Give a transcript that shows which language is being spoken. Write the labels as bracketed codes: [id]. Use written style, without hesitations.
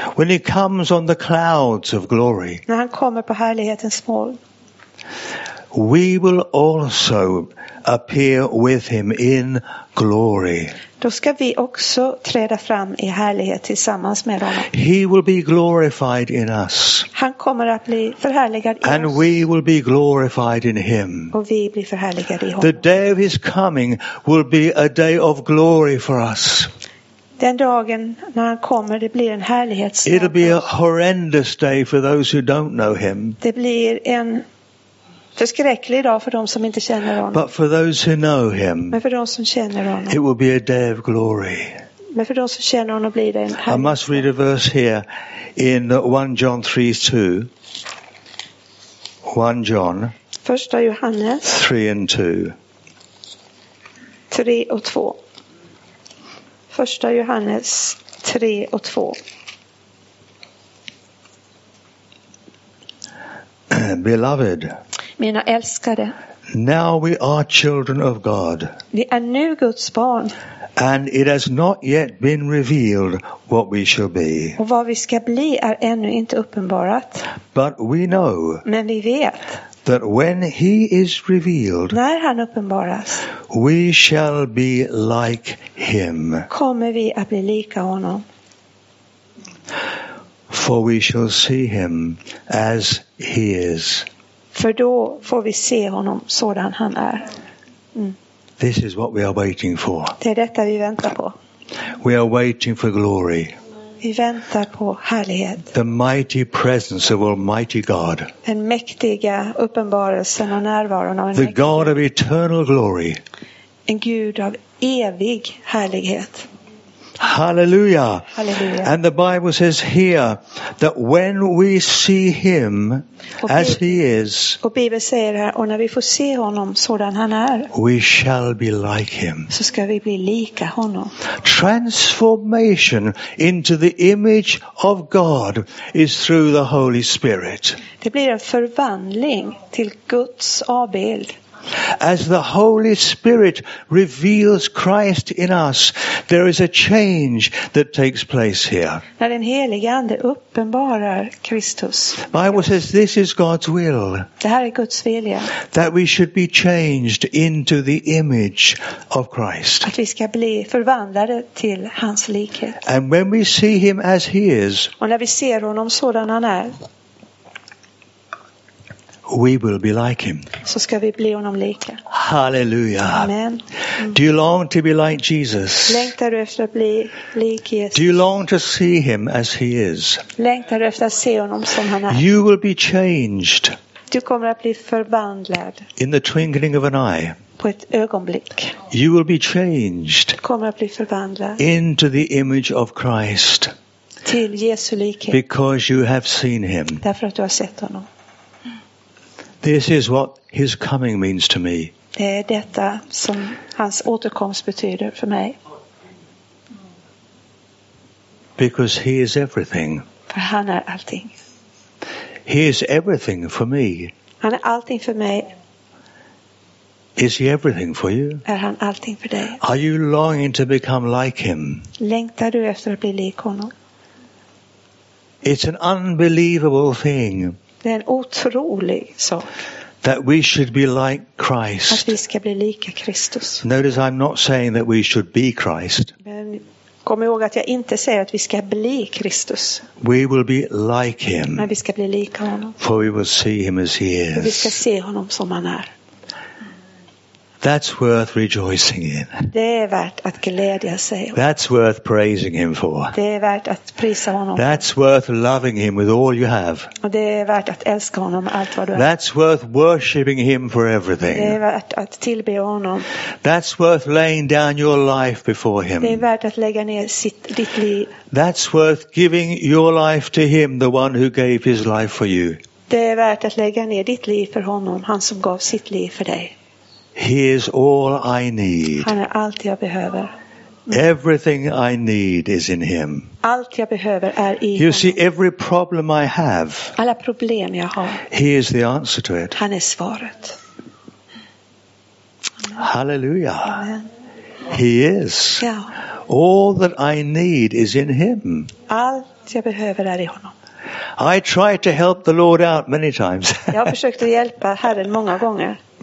[en] when he comes on the clouds of glory, [sv] när han kommer på härlighetens moln, [en] we will also appear with him in glory. [sv] Då ska vi också träda fram i härlighet tillsammans med honom. [en] He will be glorified in us. [sv] Han kommer att bli förhärligad i oss. [en] And we will be glorified in him. [sv] Och vi blir förhärligade i honom. [en] The day of his coming will be a day of glory for us. [sv] Den dagen när han kommer, det blir en härlighetsdag. [en] It'll be a horrendous day for those who don't know him. [sv] Det blir en förskräcklig dag för de som inte känner honom. [en] But for those who know him, [sv] men för de som känner honom, [en] it will be a day of glory. [sv] Men för de som känner honom blir det en härlighetsdag. [en] I must read a verse here in 1 John 3, 2. 1 John. [sv] Första Johannes. [en] 3 and 2. [sv] 3 och 2. Första Johannes 3 och 2. [en] Beloved, [sv] mina älskade, [en] now we are children of God. [sv] Vi är nu Guds barn. [en] And it has not yet been revealed what we shall be. [sv] Och vad vi ska bli är ännu inte uppenbarat. [en] But we know. [sv] Men vi vet. [en] That when he is revealed, [sv] när han uppenbaras, [en] we shall be like him. [sv] Kommer vi att bli lika honom. [en] For we shall see him as he is. [sv] För då får vi se honom sådan han är. [en] This is what we are waiting for. [sv] Det är detta vi väntar på. [en] We are waiting for glory. [sv] Vi väntar på härlighet. [en] The mighty presence of Almighty God. [sv] Den mäktiga uppenbarelsen och närvaron av en [en] The God of eternal glory. [sv] En Gud av evig härlighet. [en] Hallelujah. [sv] Hallelujah. [en] And the Bible says here that when we see him as he is, [sv] och Bibeln säger här, och när vi får se honom sådan han är, [en] we shall be like him. [sv] Så ska vi bli lika honom. [en] Transformation into the image of God is through the Holy Spirit. [sv] Det blir en förvandling till Guds avbild. [en] As the Holy Spirit reveals Christ in us, there is a change that takes place here. [sv] När den helige ande uppenbarar Kristus. [en] Bible says this is God's will. [sv] Det här är Guds vilja. [en] That we should be changed into the image of Christ. [sv] Att vi ska bli förvandlade till hans likhet. [en] And when we see him as he is, [sv] och när vi ser honom sådan han är, [en] we will be like him. [sv] Så ska vi bli honom lika. [en] Hallelujah. [sv] Amen. [en] Do you long to be like Jesus? [sv] Längtar du efter att bli lik Jesus? [en] Do you long to see him as he is? [sv] Längtar du efter att se honom som han är? [en] You will be changed. [sv] Du kommer att bli förvandlad. [en] In the twinkling of an eye. [sv] På ett ögonblick. [en] You will be changed. [sv] Du kommer att bli förvandlad. [en] Into the image of Christ. [sv] Till Jesu likhet. [en] Because you have seen him. [sv] Därför att du har sett honom. [en] This is what his coming means to me. [sv] Det är detta som hans återkomst betyder för mig. [en] Because he is everything. [sv] För han är allting. [en] He is everything for me. [sv] Han är allting för mig. [en] Is he everything for you? [sv] Är han allting för dig? [en] Are you longing to become like him? [sv] Längtar du efter att bli lik honom? [en] It's an unbelievable thing. [sv] Det är en otrolig sak. [en] That we should be like Christ. [sv] Att vi ska bli lika Kristus. [en] Notice I'm not saying that we should be Christ. [sv] Men kom ihåg att jag inte säger att vi ska bli Kristus. [en] We will be like him. [sv] Men vi ska bli lika honom. [en] For we will see him as he is. [sv] Vi ska se honom som han är. [en] That's worth rejoicing in. [sv] Det är värt att glädja sig. [en] That's worth praising him for. [sv] Det är värt att prisa honom. [en] That's worth loving him with all you have. [sv] Och det är värt att älska honom allt vad du har. [en] That's worth worshiping him for everything. [sv] Det är värt att tillbe honom. [en] That's worth laying down your life before him. [sv] Det är värt att lägga ner ditt liv. [en] That's worth giving your life to him, the one who gave his life for you. [sv] Det är värt att lägga ner ditt liv för honom, han som gav sitt liv för dig. [en] He is all I need. [sv] Han är allt jag behöver. [en] Everything I need is in him. [sv] Allt jag behöver är i honom. [en] You see, every problem I have, [sv] alla problem jag har, [en] he is the answer to it. [sv] Han är svaret. [en] Hallelujah. [sv] Amen. [en] He is. [sv] Ja. [en] All that I need is in him. [sv] Allt jag behöver är i honom. [en] I tried to help the Lord out many times. [sv] Jag försökte hjälpa Herren många gånger.